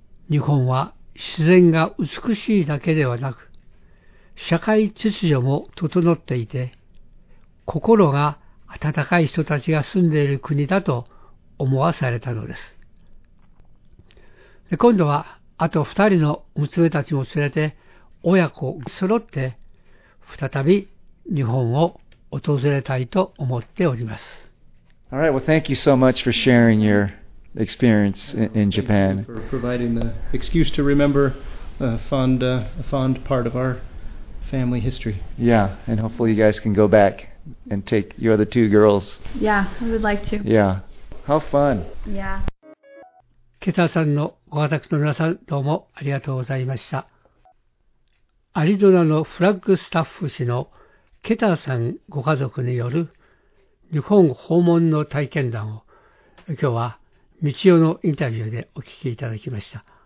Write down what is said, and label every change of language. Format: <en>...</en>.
<ja>日本は自然が美しいだけではなく、社会秩序も整っていて、心が温かい人たちが住んでいる国だと思わされたのです。で、今度はあと二人の娘たちも連れて、親子揃って再び日本を訪れたいと思っております。</ja> <en>All right, well, thank you so much for sharing your experience in Japan. Thank you for providing the excuse to remember a fond part of our family history. Yeah, and hopefully you guys can go back and take your other two girls. Yeah, we would like to. Yeah, how fun. Yeah.</en> <ja>ケタさんのご家族の皆さん、どうもありがとうございました。アリゾナのフラッグスタッフ氏のケターさんご家族による日本訪問の体験談を今日は道代のインタビューでお聞きいただきました。</ja>